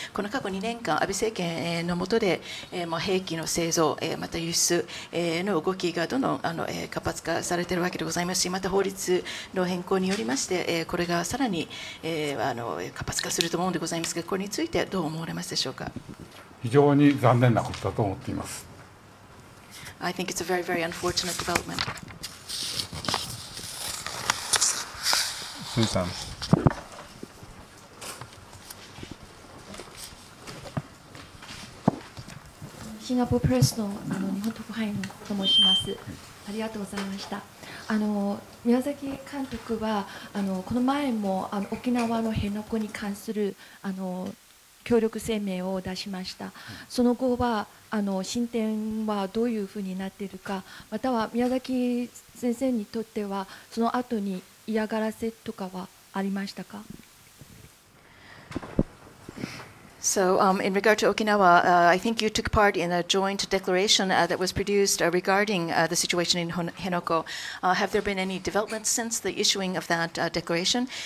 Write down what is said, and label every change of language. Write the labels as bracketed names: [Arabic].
[Japanese] この過去2年間安倍政権の下で、兵器の製造、また輸出の動きがどんどん活発化されているわけでございますし、また法律の変更によりまして、これがさらに活発化すると思うんでございますが、これについてどう思われますでしょうか。非常に残念なことだと思っています。 [English] I think it's a very, very unfortunate development. Susan. [Japanese] シンガポープレス の日本特派員と申します。ありがとうございました。宮崎監督はこの前も沖縄の辺野古に関する協力声明を出しました。その後は進展はどういうふうになっているか、または宮崎先生にとってはその後に嫌がらせとかはありましたか？ [English] So, in regard to Okinawa, I think you took part in a joint declaration that was produced regarding the situation in Henoko. Have there been any developments since the issuing of that declaration?